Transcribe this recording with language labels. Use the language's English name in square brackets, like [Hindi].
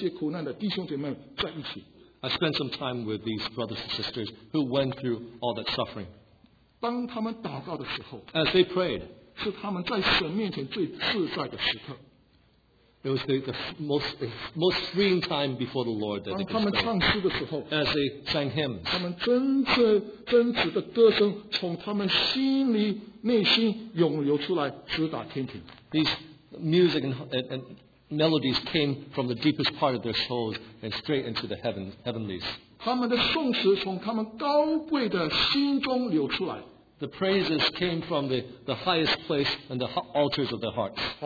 [Chinese] 我曾经跟这些受过苦难的同胞，这些苦难的弟兄姐妹在一起。 [English] I spent some time with these brothers and sisters who went through all that suffering. [Chinese] 当他们祷告的时候, [English] as they prayed, [Chinese] 是他们在神面前最自在的时刻。 [English] It was the most freeing time before the Lord that they could spend. As they sang hymns, [Chinese] 他们真实的歌声从他们心里内心涌流出来, 直达天庭。 [English] These music and melodies came from the deepest part of their souls and straight into the heavenlies. [Chinese] 他们的颂词从他们高贵的心中流出来。 [English] The praises came from the highest place and the altars of their hearts.